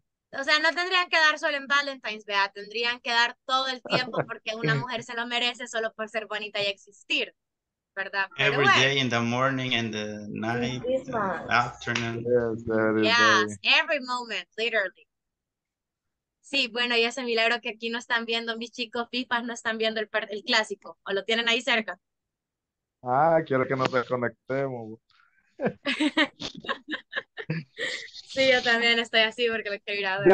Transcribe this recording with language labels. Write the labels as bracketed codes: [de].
[es] O sea, no tendrían que dar solo en Valentine's, vea, tendrían que dar todo el tiempo porque una mujer se lo merece solo por ser bonita y existir, ¿verdad? Pero [en] every [es] bueno. [en] Day in the morning, in the night, afternoon. Yes, every moment, literally. [es] Sí, bueno, y ese milagro que aquí no están viendo mis chicos FIFA, no están viendo el clásico, o lo tienen ahí cerca. Ah, quiero que nos desconectemos. Sí, yo también estoy así porque lo estoy grabando.